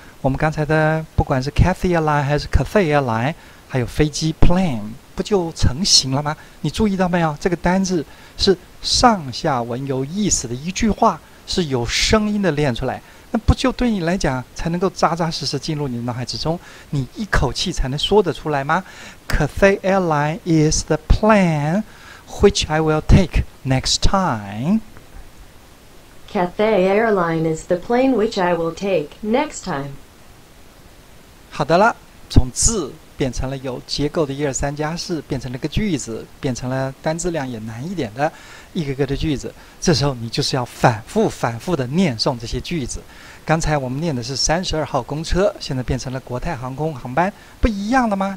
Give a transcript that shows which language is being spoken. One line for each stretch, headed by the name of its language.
Chinese: 我们刚才的不管是 Cathay Airline 还是 Cathay Airline 还有飞机 plane 不就成型了吗？你注意到没有，这个单字是上下文有意思的一句话，是有声音的练出来，那不就对你来讲才能够扎扎实实进入你的脑海之中，你一口气才能说得出来吗？
English: Cathay Airline is the plane which I will take next time. Cathay Airline is the plane which I will take next time.
Chinese: 好的了，从字变成了有结构的一二三加四，变成了个句子，变成了单字量也难一点的一个个的句子。这时候你就是要反复反复的念诵这些句子。刚才我们念的是32号公车，现在变成了国泰航空航班，不一样了吗？